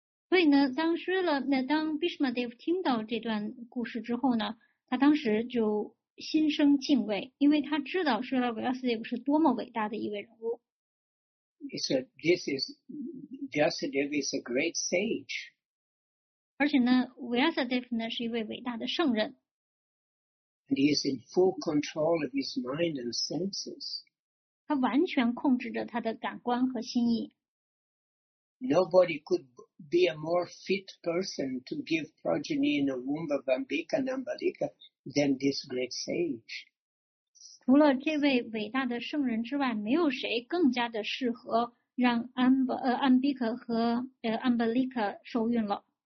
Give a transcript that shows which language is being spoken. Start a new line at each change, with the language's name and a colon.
Chinese: 所以呢，当时了，那当 Bhishma Dev 听到这段故事之后呢，他当时就心生敬畏，因为他知道 Srila Vyasadeva 是多么伟大的一位人物。
English: He said, "This is Vyasadeva is a great sage."
Chinese: 而且呢 ，Vyasadeva 呢是一位伟大的圣人。
English: And he is in full control of his mind and senses.
Chinese: 他完全控制着他的感官和心意。
English: Nobody could be a more fit person to give progeny in a womb of Ambika Nambalika than this great sage.
Chinese: 除了这位伟大的圣人之外，没有谁更加的适合让Ambika 和Ambalika 受孕了。